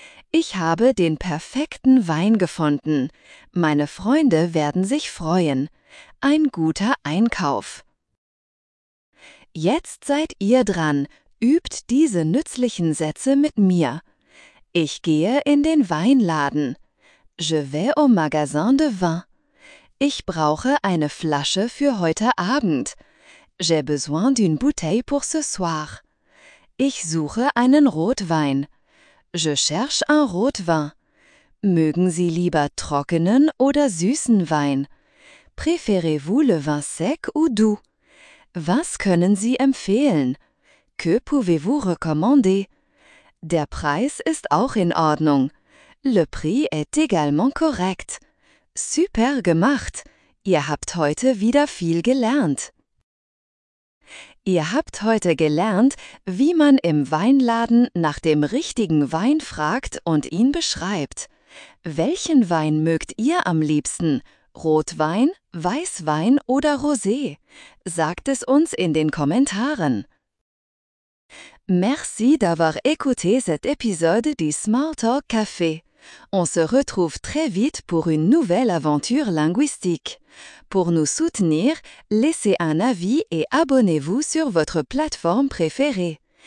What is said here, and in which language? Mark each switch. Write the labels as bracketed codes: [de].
[de] Ich habe den perfekten Wein gefunden. Meine Freunde werden sich freuen. Ein guter Einkauf. Jetzt seid ihr dran. Übt diese nützlichen Sätze mit mir. Ich gehe in den Weinladen. [fr] Je vais au magasin de vin. [de] Ich brauche eine Flasche für heute Abend. [fr] J'ai besoin d'une bouteille pour ce soir. [de] Ich suche einen Rotwein. [fr] Je cherche un Rotwein. [de] Mögen Sie lieber trockenen oder süßen Wein? [fr] Préférez-vous le vin sec ou doux? [de] Was können Sie empfehlen? [fr] Que pouvez-vous recommander? [de] Der Preis ist auch in Ordnung. [fr] Le prix est également correct. [de] Super gemacht! Ihr habt heute wieder viel gelernt. Ihr habt heute gelernt, wie man im Weinladen nach dem richtigen Wein fragt und ihn beschreibt. Welchen Wein mögt ihr am liebsten? Rotwein, Weißwein oder Rosé? Sagt es uns in den Kommentaren. [fr] Merci d'avoir écouté cet épisode du Small Talk Café. On se retrouve très vite pour une nouvelle aventure linguistique. Pour nous soutenir, laissez un avis et abonnez-vous sur votre plateforme préférée.